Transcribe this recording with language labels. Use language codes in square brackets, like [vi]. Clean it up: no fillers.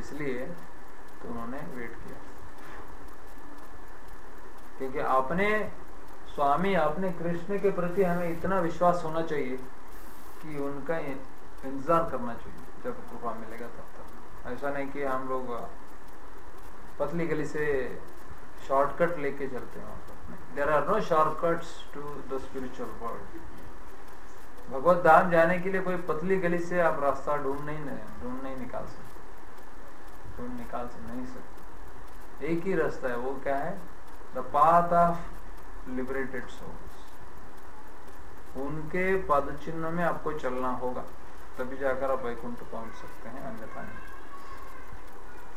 [hi] इसलिए तो उन्होंने वेट किया, क्योंकि अपने स्वामी अपने कृष्ण के प्रति हमें इतना विश्वास होना चाहिए कि उनका इंतजार करना चाहिए, जब कृपा मिलेगा तब तक। ऐसा नहीं कि हम लोग पतली गली से शॉर्टकट लेके चलते हैं। [en] There are no shortcuts to the spiritual world. [hi] भगवत धाम जाने के लिए कोई पतली गली से आप रास्ता ढूंढ नहीं निकाल सकते। एक ही रास्ता है, वो क्या है, [en] the path of liberated souls. [hi] उनके पद चिन्ह में आपको चलना होगा, तभी जाकर आप वैकुंठ पहुंच सकते हैं, अन्यथा नहीं।